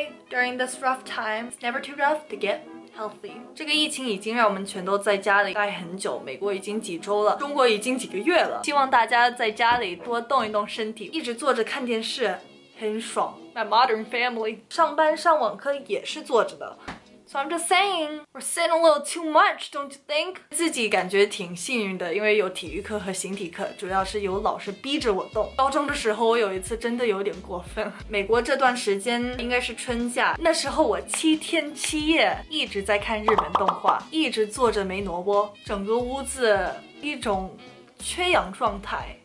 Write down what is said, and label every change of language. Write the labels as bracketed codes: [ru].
[en] During this rough time, it's never too rough to get healthy. [zh] 这个疫情已经让我们全都在家里待很久，美国已经几周了，中国已经几个月了。希望大家在家里多动一动身体，一直坐着看电视，很爽。 [en] My modern family. [zh] 上班上网课也是坐着的。 [en] So I'm just saying, we're sitting a little too much, don't you think? [zh] 自己感觉挺幸运的，因为有体育课和形体课，主要是有老师逼着我动。高中的时候，我有一次真的有点过分。美国这段时间应该是春假，那时候我7天7夜一直在看日本动画，一直坐着没挪窝，整个屋子一种缺氧状态。